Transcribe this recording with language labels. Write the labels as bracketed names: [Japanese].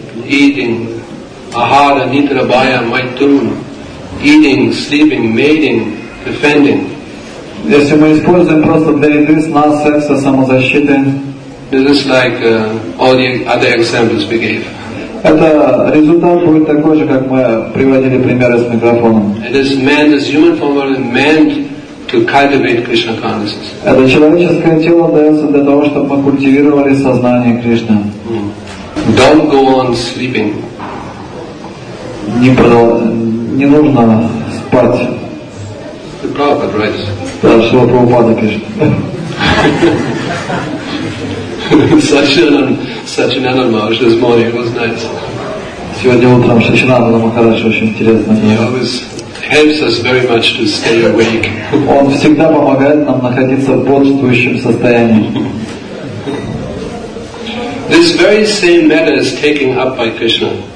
[Sanskrit] Eating, ahara, nidra, baya, maitun. [English] Eating, sleeping, mating, defending. [Russian] Если мы используем просто для еды, сна, секса, самозащиты. [English] This is like all the other examples we gave. [Russian] Это результат будет такой же, как мы приводили примеры с микрофоном. [English] It is meant, this human form is meant to cultivate Krishna consciousness. [Russian] Это человеческое тело дается для того, чтобы мы культивировали сознание Кришны. [English] Don't go on sleeping. [Russian] Не нужно спать. [English] The Prabhupada writes. [Russian] Да, что Прабхупада пишет. [English] Сачинана Махарадж this morning was nice. [Russian] Сегодня утром Сачинана Махарадж очень интересно. [English] He always helps us very much to stay awake. [Russian] Он всегда помогает нам находиться в бодрствующем состоянии. [English] This very same matter is taken up by Krishna.